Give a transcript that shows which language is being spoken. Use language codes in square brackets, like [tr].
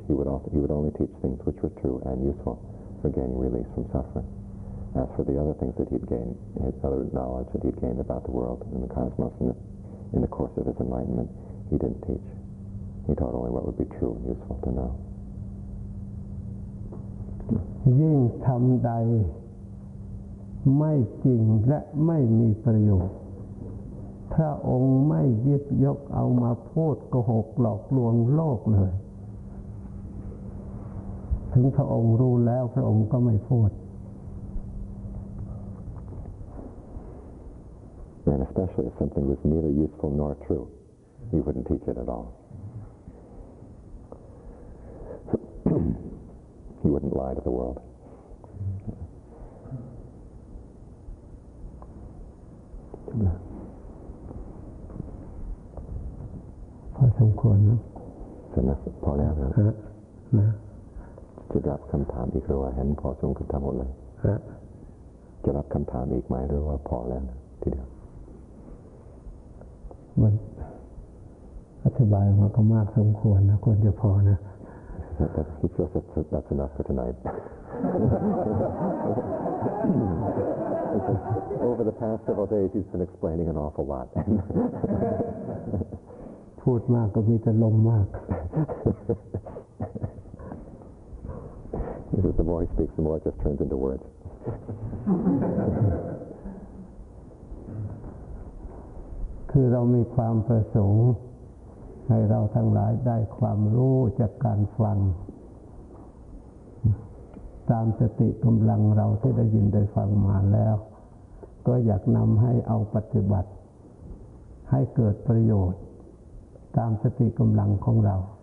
[en] He would only teach things which were true and useful for gaining release from suffering. As for the other things that he'd gained, his other knowledge that he'd gained about the world and the cosmos in the course of his enlightenment, he didn't teach. He taught only what would be true and useful to know. [th] ยิ่งทำใดไม่จริงและไม่มีประโยชน์พระองค์ไม่ยิบยกเอามาพูดโกหกหลอกลวงโลกเลยถึงพระองค์รู้แล้วพระองค์ก็ไม่พูด [en] And especially if something was neither useful nor true, he wouldn't teach it at all. He wouldn't lie to the world. [th] พอสมควรนะ สำนักพอแล้ว ครับนะ จะรับคำถามอีกหรือว่าเห็นพอสมควรทำหมดเลย ฮะ จะรับคำถามอีกไหมหรือว่าพอแล้วทีเดียว มันอธิบายมาก็มากสมควรนะควรจะพอนะ [en] He feels that's enough for tonight. Over the past several days, he's been explaining an awful lot. [th] พูดมากก็มีแต่ลมมาก [en] The more he speaks, the more it just turns into words. [th] คือเรามีความประสงค์ให้เราทั้งหลายได้ความรู้จากการฟังตามสติกำลังเราที่ได้ยินได้ฟังมาแล้วก็อยากนำให้เอาปฏิบัติให้เกิดประโยชน์ตามสติกำลังของเรา